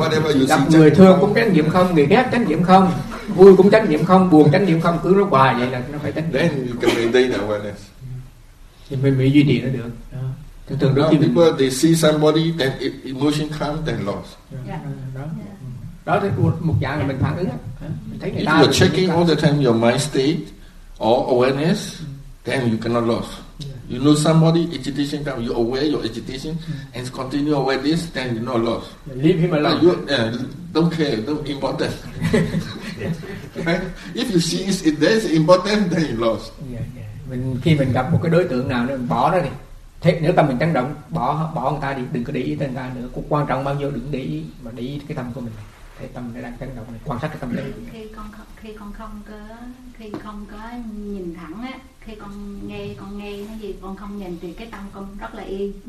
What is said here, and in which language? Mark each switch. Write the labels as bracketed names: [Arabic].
[English] whatever you [Vietnamese] gặp see, người thương cũng chánh niệm không, người ghét chánh niệm không, vui cũng chánh niệm không, buồn chánh niệm không, cứ nó hoài vậy là nó phải chánh niệm. [English] Then you can maintain awareness. [Vietnamese] Thì mình duy trì nó được. [English] People they see somebody, then emotion comes, then loss. Yeah. Yeah. [Vietnamese] Đó là một dạng là mình phản ứng. [English] If you are checking all the time your mind state or awareness, then you cannot lose. You know somebody agitation comes, you aware your agitation and continue aware this, then you not lost. Leave him alone. Don't care, don't important. If you see it, there's important, then you lost. Yeah, yeah. [Vietnamese] Khi mình gặp một cái đối tượng nào, mình bỏ nó đi. Thế nếu tâm mình chấn động, bỏ người ta đi, đừng có để ý tới người ta nữa. Cũng quan trọng bao nhiêu đừng để ý, mà để ý cái tâm của mình. Thế tâm nó đang chấn động, quan sát cái tâm đấy. Khi con không có nhìn thẳng á, khi con nghe nó gì, con không nhìn thì cái tâm con rất là yên.